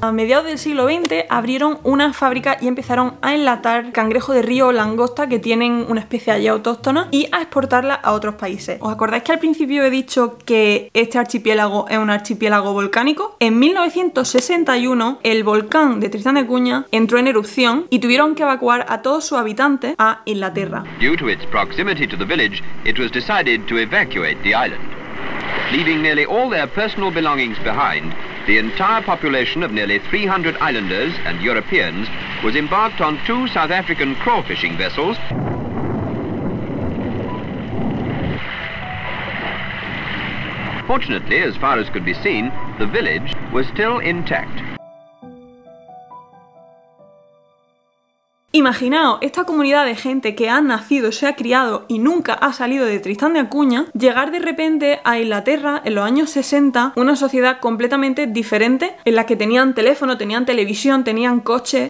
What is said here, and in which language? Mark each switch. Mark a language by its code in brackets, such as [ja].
[es] A mediados del siglo XX, abrieron una fábrica y empezaron a enlatar cangrejo de río o langosta, que tienen una especie allí autóctona, y a exportarla a otros países. ¿Os acordáis que al principio he dicho que este archipiélago es un archipiélago volcánico? En 1961, el volcán de Tristán de Acuña entró en erupción y tuvieron que evacuar a todos sus habitantes a Inglaterra. [en] Due to its proximity to the village, it was decided to evacuate the island. Leaving nearly all their personal belongings behind, the entire population of nearly 300 islanders and Europeans was embarked on two South African crawfishing vessels. Fortunately, as far as could be seen, the village was still intact. [es] Imaginaos esta comunidad de gente que ha nacido, se ha criado y nunca ha salido de Tristán de Acuña, llegar de repente a Inglaterra en los años 60, una sociedad completamente diferente, en la que tenían teléfono, tenían televisión, tenían coche.